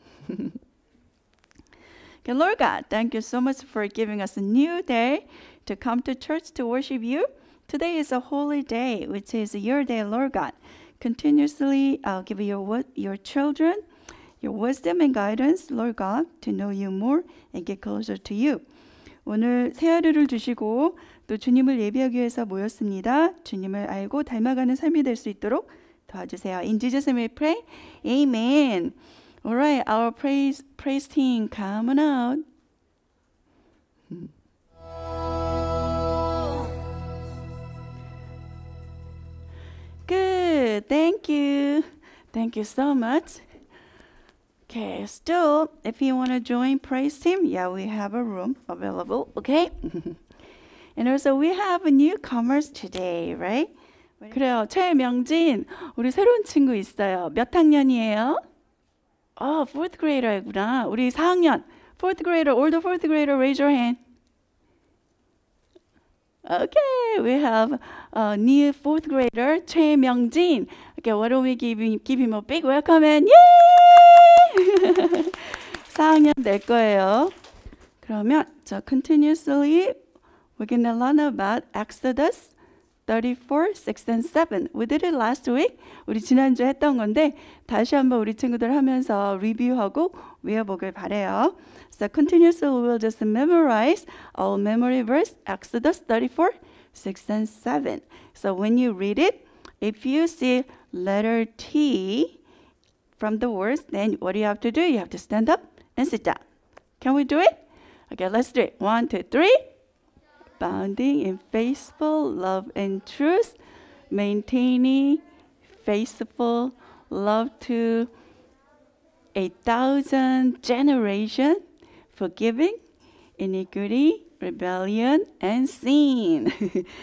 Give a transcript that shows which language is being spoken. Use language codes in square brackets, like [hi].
[en] Okay, Lord God, thank you so much for giving us a new day to come to church to worship you. Today is a holy day, which is your day, Lord God. Continuously, I'll give you your children, your wisdom and guidance, Lord God, to know you more and get closer to you. [ko] 오늘 새하루를 주시고 또 주님을 예배하기 위해서 모였습니다. 주님을 알고 닮아가는 삶이 될 수 있도록 도와주세요. [en] In Jesus' name we pray. Amen. All right, our praise team, come on out. Good, thank you. Thank you so much. Okay, still, if you want to join praise team, yeah, we have a room available, okay? And also, we have newcomers today, right? [ko] 그래요, 최명진, 우리 새로운 친구 있어요. 몇 학년이에요? [en] Oh, fourth grader이구나. [ko] 우리 4학년, [en] fourth grader, older fourth grader, raise your hand. Okay, we have a new fourth grader, 최명진. Okay, why don't we give him a big welcome and yay! [ko] 4학년 될 거예요. 그러면 저 [en] continuously, we're going to learn about Exodus 34, 6, and 7. We did it last week. [ko] 우리 지난주에 했던 건데 다시 한번 우리 친구들 하면서 리뷰하고 외워보길 바래요. [en] So continuously we'll just memorize all memory verse Exodus 34, 6, and 7. So when you read it, if you see letter T from the words, then what do you have to do? You have to stand up and sit down. Can we do it? Okay, let's do it. 1, 2, 3. Abounding in faithful love and truth, maintaining faithful love to 1,000 generations, forgiving iniquity, rebellion, and sin.